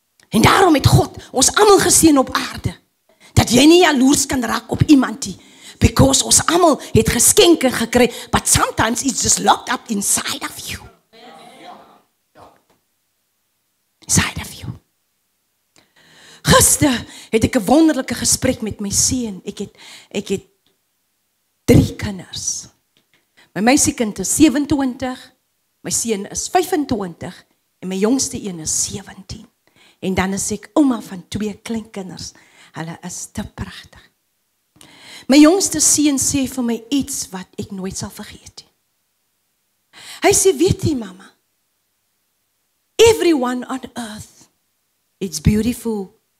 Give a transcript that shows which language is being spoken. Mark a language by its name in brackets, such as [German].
[Afrikaans] En daarom het God ons allemaal geseën op aarde, dat jy nie jaloers kan raak op iemand die, because ons allemaal het geskenke gekry, [English] but sometimes it's just locked up inside of you. Inside of you. [Afrikaans] Gister het ek 'n wonderlike gesprek met my seun. Ek het 3 kinders. My meisiekind is 27, my seun is 25 en my jongste een is 17. En dan is ek ouma van 2 kleinkinders. Hulle is te pragtig. My jongste seun sê vir my iets wat ek nooit sal vergeet nie. Hy sê, "Weet jy, mamma, [English] everyone on earth it's beautiful."